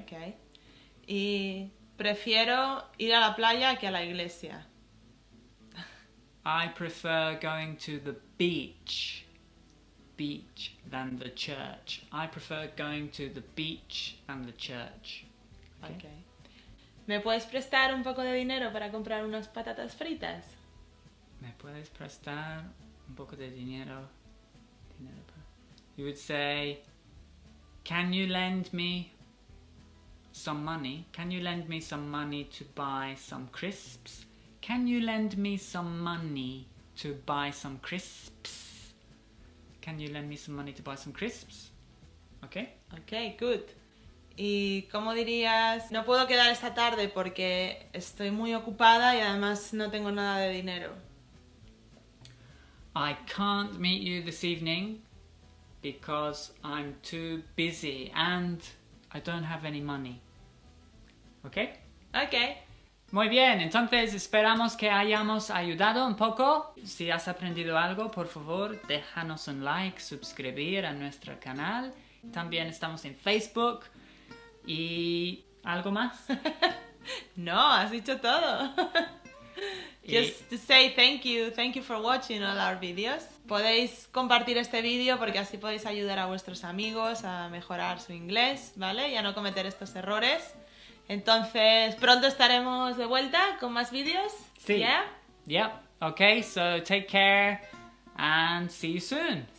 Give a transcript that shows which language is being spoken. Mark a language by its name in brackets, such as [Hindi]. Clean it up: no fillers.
[Spanish] Okay. Y prefiero ir a la playa que a la iglesia. [English] I prefer going to the beach than the church. I prefer going to the beach than the church. Okay. [Spanish] ¿Me puedes prestar un poco de dinero para comprar unas patatas fritas? ¿Me puedes prestar un poco de dinero? [English] You would say, can you lend me some money? Can you lend me some money to buy some crisps? Can you lend me some money to buy some crisps? Can you lend me some money to buy some crisps? Okay? Okay, good. [Spanish] ¿Y cómo dirías? No puedo quedar esta tarde porque estoy muy ocupada y además no tengo nada de dinero. [English] I can't meet you this evening because I'm too busy and I don't have any money. Okay? Okay. [Spanish] Muy bien, entonces esperamos que hayamos ayudado un poco. Si has aprendido algo, por favor, déjanos un like, suscribir a nuestro canal. También estamos en Facebook. ¿Y algo más? No, has dicho todo. [English] Just to say thank you for watching all our videos. [Spanish] Podéis compartir este vídeo porque así podéis ayudar a vuestros amigos a mejorar su inglés, ¿vale? Y a no cometer estos errores. Entonces, pronto estaremos de vuelta con más vídeos. Sí. [English] Yeah. Yep. Okay, so take care and see you soon.